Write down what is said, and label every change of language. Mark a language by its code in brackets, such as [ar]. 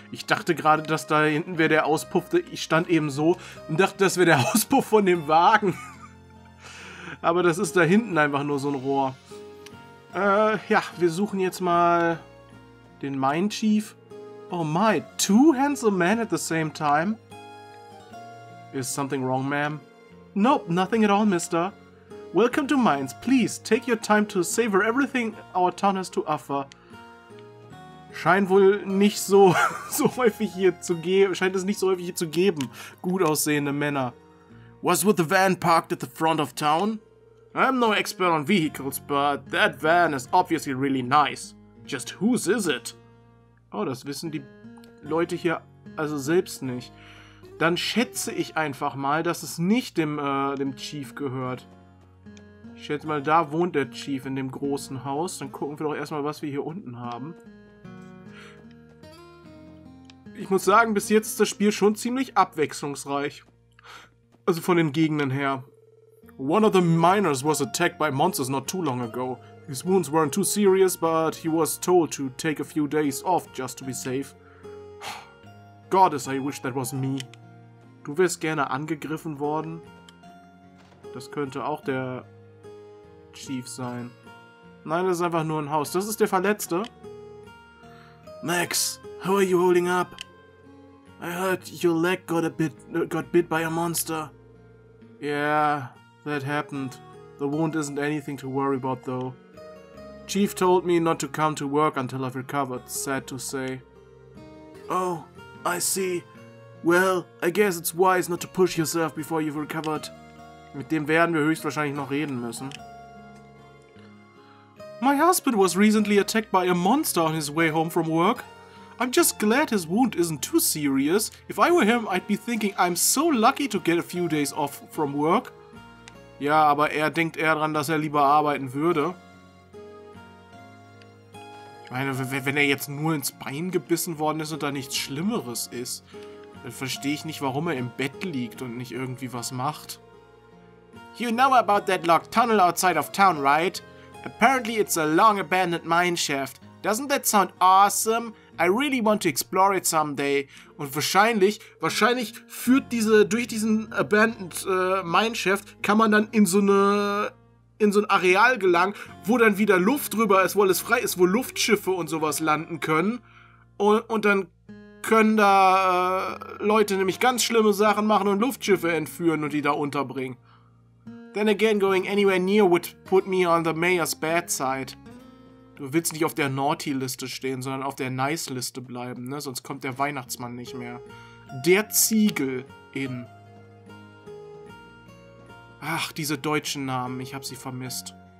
[de] Ich dachte gerade, dass da hinten wäre der Auspuff. Ich stand eben so und dachte, das wäre der Auspuff von dem Wagen. Aber das ist da hinten einfach nur so ein Rohr. Ja, wir suchen jetzt mal den Mine Chief. [en] Oh my, two handsome men at the same time? Is something wrong, ma'am? Nope, nothing at all, mister. Welcome to Mines. Please, take your time to savor everything our town has to offer. [de] Scheint wohl nicht so häufig hier zu geben. Scheint es nicht so häufig hier zu geben. Gut aussehende Männer. [en] What's with the van parked at the front of town? I'm no expert on vehicles, but that van is obviously really nice. Just whose is it? [de] Oh, das wissen die Leute hier also selbst nicht. Dann schätze ich einfach mal, dass es nicht dem Chief gehört. Ich schätze mal, da wohnt der Chief in dem großen Haus. Dann gucken wir doch erstmal, was wir hier unten haben. Ich muss sagen, bis jetzt ist das Spiel schon ziemlich abwechslungsreich. Also von den Gegenden her. [en] One of the miners was attacked by monsters not too long ago. His wounds weren't too serious, but he was told to take a few days off just to be safe. Goddess, I wish that was me. [de] Du wärst gerne angegriffen worden? Das könnte auch der Chief sein. Nein, das ist einfach nur ein Haus. Das ist der Verletzte. [en] Max, how are you holding up? I heard your leg got bit by a monster. Yeah, that happened. The wound isn't anything to worry about, though. Chief told me not to come to work until I've recovered, sad to say. Oh, I see. Well, I guess it's wise not to push yourself before you've recovered. [de] Mit dem werden wir höchstwahrscheinlich noch reden müssen. [en] My husband was recently attacked by a monster on his way home from work. I'm just glad his wound isn't too serious. If I were him, I'd be thinking I'm so lucky to get a few days off from work. [de] Ja, aber er denkt eher daran, dass er lieber arbeiten würde. Ich meine, wenn er jetzt nur ins Bein gebissen worden ist und da nichts Schlimmeres ist, dann verstehe ich nicht, warum er im Bett liegt und nicht irgendwie was macht. [en] You know about that locked tunnel outside of town, right? Apparently it's a long abandoned mineshaft. Doesn't that sound awesome? I really want to explore it someday. [de] Und wahrscheinlich führt durch diesen [en] abandoned mineshaft [de] kann man dann in so ein Areal gelangen, wo dann wieder Luft drüber ist, wo alles frei ist, wo Luftschiffe und sowas landen können. Und dann können da Leute nämlich ganz schlimme Sachen machen und Luftschiffe entführen und die da unterbringen. [en] Then again, going anywhere near would put me on the mayor's bad side. [de] Du willst nicht auf der Naughty-Liste stehen, sondern auf der Nice-Liste bleiben, ne? Sonst kommt der Weihnachtsmann nicht mehr. Der Ziegel in... Ach, diese deutschen Namen, ich hab sie vermisst.